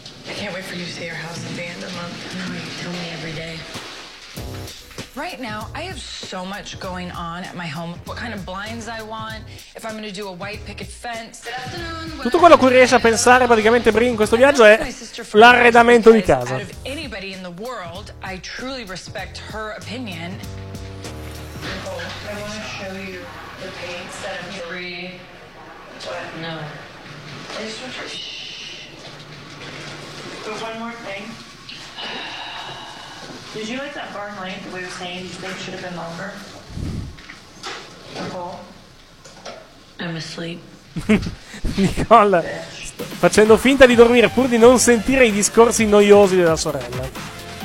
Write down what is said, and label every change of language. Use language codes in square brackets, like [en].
[en] I can't wait for you to see our house at the end of the month. No, you tell me every day. Right now, I have so much going on at my home. What kind of blinds I want, if I'm going to do a white picket fence. [it] Tutto quello a cui riesce a pensare praticamente Brie in questo viaggio è l'arredamento di casa. [en] Out of anybody in the world, I truly respect her opinion. Oh, I want to show you the paint set of Brie. What? No. I just want to... Shh. But one more thing. Did you like that barn length we were saying you think should have been longer? Nicole? I'm asleep. [it] Nicole facendo finta di dormire pur di non sentire i discorsi noiosi della sorella.